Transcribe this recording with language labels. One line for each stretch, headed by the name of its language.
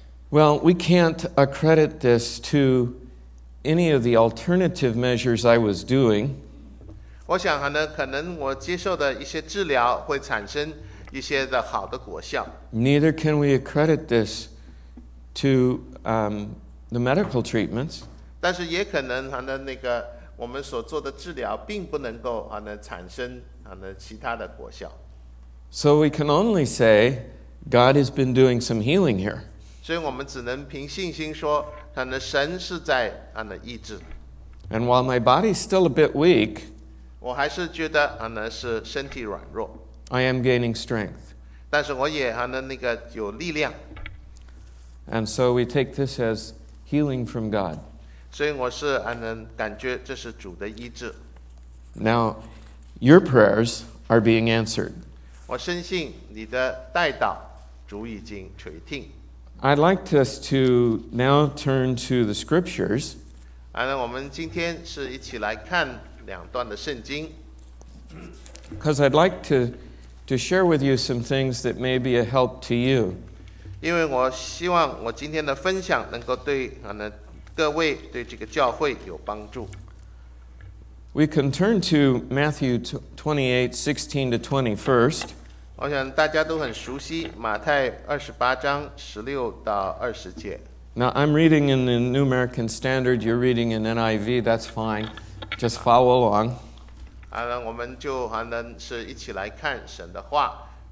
English: Well, we can't accredit this to any of the alternative measures I was doing.
Chinese: 我想可能我接受的一些治疗会产生一些的好的果效。
English: Neither can we accredit this to the medical treatments.
Chinese: 但是也可能那个我们所做的治疗并不能够产生其他的果效。
English: So we can only say God has been doing some healing here.
Chinese: 所以我们只能凭信心说神是在医治。
English: And while my body is still a bit weak,
Chinese: 我还是觉得是身体软弱。
English: I am gaining strength.
Chinese: 但是我也那个有力量。
English: And so we take this as healing from God.
Chinese: 所以我是感觉这是主的医治。
English: Now, your prayers are being answered.
Chinese: 我深信你的代祷主已经垂听。
English: I'd like us to now turn to the scriptures.
Chinese: 我们今天是一起来看两段的圣经。
English: Because I'd like to share with you some things that may be a help to you.
Chinese: 因为我希望我今天的分享能够对各位对这个教会有帮助。
English: We can turn to Matthew 28:16-20 first.
Chinese: 我想大家都很熟悉马太28:16-20.
English: Now I'm reading in the New American Standard. You're reading in NIV. That's fine. Just follow along.
Chinese: 我们就是一起来看神的话。